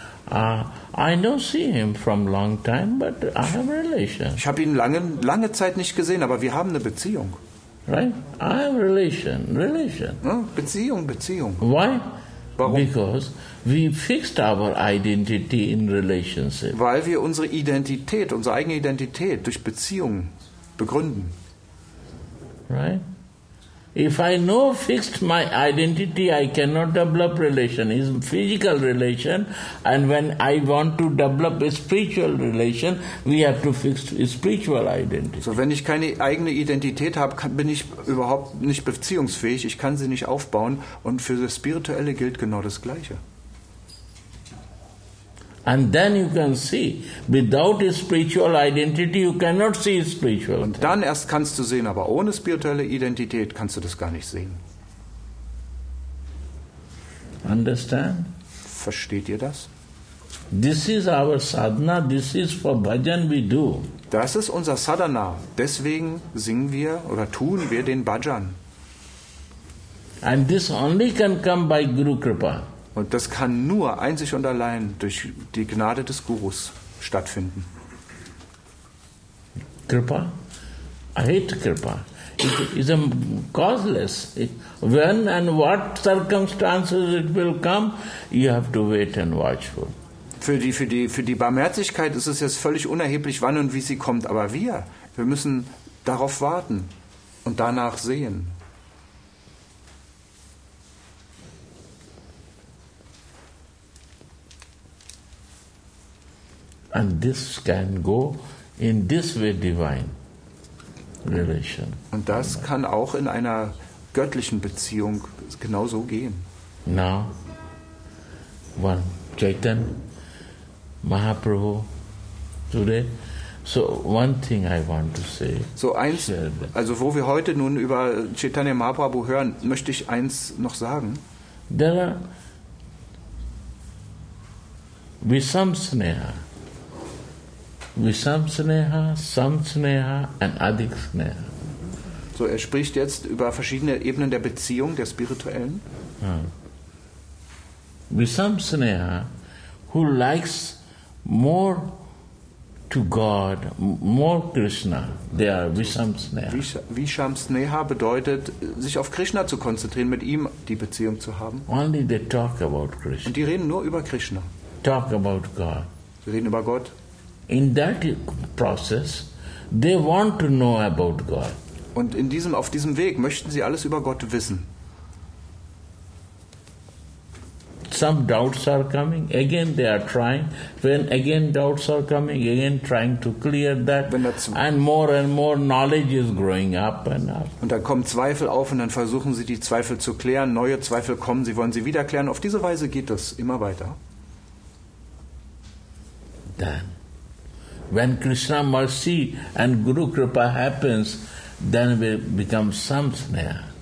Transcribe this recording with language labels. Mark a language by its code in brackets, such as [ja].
[en] I don't see him from long time, but I have a relation. [de] Ich habe ihn lange Zeit nicht gesehen, aber wir haben eine Beziehung. [en] Right? I have relation. [de] Na, Beziehung. [en] Why? [de] Warum? [en] Because we fixed our identity in relationship. [de] Weil wir unsere Identität, unsere eigene Identität durch Beziehungen begründen. [en] Right? If I know fixed my identity, I cannot develop relation. It's a physical relation. And when I want to develop a spiritual relation, we have to fix a spiritual identity. [de] So, wenn ich keine eigene Identität habe, bin ich überhaupt nicht beziehungsfähig. Ich kann sie nicht aufbauen. Und für das Spirituelle gilt genau das Gleiche. [en] And then you can see, without a spiritual identity, you cannot see spiritual. [de] Und dann erst kannst du sehen, aber ohne spirituelle Identität kannst du das gar nicht sehen. [en] Understand? [de] Versteht ihr das? [en] This is our sadhana, this is for bhajan we do. [de] Das ist unser Sadhana, deswegen singen wir oder tun wir den Bhajan. [en] And this only can come by Guru Kripa. [de] Und das kann nur einzig und allein durch die Gnade des Gurus stattfinden. [en] Kripa? I hate Kripa. It is a causeless. When and what circumstances it will come, you have to wait and watch for. [de] Für die Barmherzigkeit ist es jetzt völlig unerheblich, wann und wie sie kommt. Aber wir müssen darauf warten und danach sehen. [en] And this can go in this way divine relation. [de] Und das kann auch in einer göttlichen Beziehung genauso gehen. [en] Now, one Chaitanya Mahaprabhu today. So one thing I want to say. So eins, also wo wir heute nun über Chaitanya Mahaprabhu hören, möchte ich eins noch sagen. There are Visamsneha. Visamsneha, Samsneha and Adiksneha. [de] So, er spricht jetzt über verschiedene Ebenen der Beziehung, der spirituellen. [en] Visamsneha, who likes more to God, more Krishna, they are Visamsneha. [de] Visamsneha bedeutet, sich auf Krishna zu konzentrieren, mit ihm die Beziehung zu haben. [en] Only they talk about Krishna. [de] Und die reden nur über Krishna. [en] Talk about God. [de] Sie reden über Gott. [en] In that process, they want to know about God. [de] Und in diesem, auf diesem Weg möchten sie alles über Gott wissen. [en] Some doubts are coming. Again, they are trying. When again doubts are coming, again trying to clear that. And more knowledge is growing up and up. [de] Und dann kommen Zweifel auf und dann versuchen sie, die Zweifel zu klären. Neue Zweifel kommen, sie wollen sie wieder klären. Auf diese Weise geht das immer weiter. [en] Then, when Krishna mercy and Guru Kripa happens, then we become samsneha.